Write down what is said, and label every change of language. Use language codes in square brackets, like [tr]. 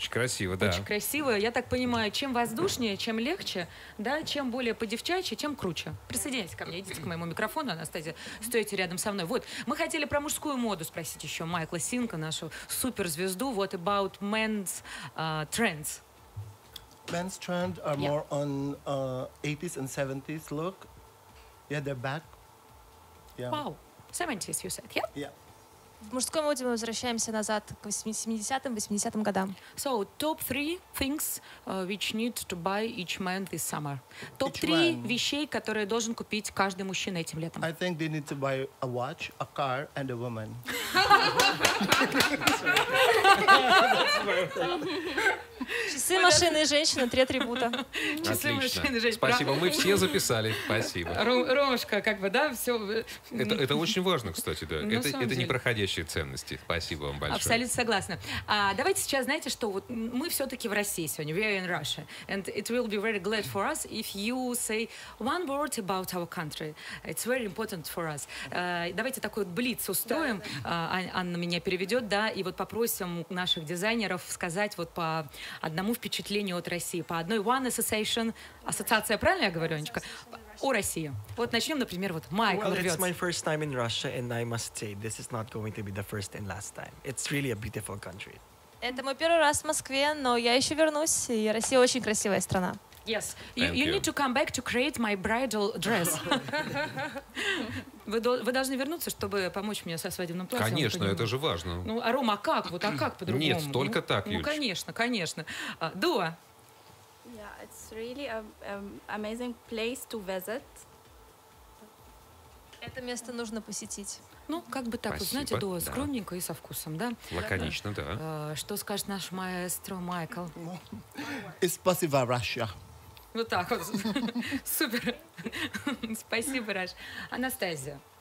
[ru] очень красиво, да. Очень красиво. Я так понимаю, чем воздушнее, чем легче, да, чем более по-девчачьи, тем круче. Присоединяйтесь ко мне, идите к моему микрофону, Анастасия, стойте рядом со мной. Вот, мы хотели про мужскую моду спросить еще Майкла Синка, нашу суперзвезду. [en] What about men's trends? Men's trends are more on 80s and 70s look. Yeah, they're back. Yeah. Wow, 70s, you said, yeah? Yeah. [ru] в мужской моде мы возвращаемся назад к 70-м, 80-м годам. [en] So, top three things which need to buy each man this summer. [ru] Топ три вещей, которые должен купить каждый мужчина этим летом. [en] I think they need to buy a watch, a car and a woman. [ru] Часы, машины и женщины, три атрибута. Часы, машины и женщины. Спасибо, мы все записали, спасибо. Ромушка, как бы, да, все. Это очень важно, кстати, да. Это непроходящие ценности. Спасибо вам большое. Абсолютно согласна. Давайте сейчас, знаете что, вот мы все-таки в России сегодня. [en] We are in Russia. And it will be very glad for us if you say one word about our country. It's very important for us. [ru] Давайте такой вот блиц устроим. Анна меня переведет, да, и вот попросим наших дизайнеров сказать вот по одному впечатлению от России, по одной [en] One Association, [ru] ассоциация, правильно я говорю, Анечка? О России. Вот начнем, например, вот Майкл рвется. [en] Well, it's my first time in Russia, and I must say, this is not going to be the first and last time. It's really a beautiful country. [ru] Это мой первый раз в Москве, но я еще вернусь, и Россия очень красивая страна. [en] Yes, you need to come back to create my bridal dress. [ru] Вы должны вернуться, чтобы помочь мне со свадебным платьем. Конечно, это же важно. Ну, а Рома, а как по-другому? Нет, только так, Юль. Ну, конечно. Дуа. [en] Yeah, it's really an amazing place to visit. [ru] Это место нужно посетить. Ну, как бы так, спасибо. Вот, знаете, Дуа, да. Скромненько и со вкусом, да? Лаконично, да. Что скажет наш маэстро Майкл? Спасибо, Россия. Вот так вот. Супер. Спасибо, Раш. Анастасия.